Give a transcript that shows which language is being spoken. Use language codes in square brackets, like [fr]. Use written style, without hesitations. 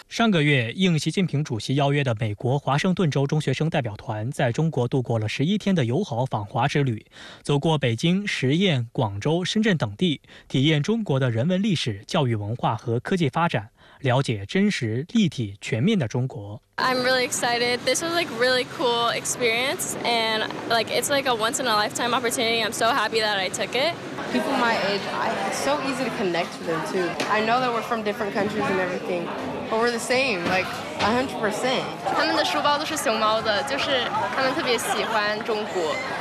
[zh] 上个月，应习近平主席邀约的美国华盛顿州中学生代表团在中国度过了11天的友好访华之旅，走过北京、十堰、广州、深圳等地，体验中国的人文历史、教育文化和科技发展，了解真实、立体、全面的中国。 [en] I'm really excited. This was like really cool experience, and like it's like a once in a lifetime opportunity. I'm so happy that I took it. People my age, it's so easy to connect to them too. I know that we're from different countries and everything, but we're the same, like 100%. [zh] 他们的书包都是熊猫的，就是他们特别喜欢中国。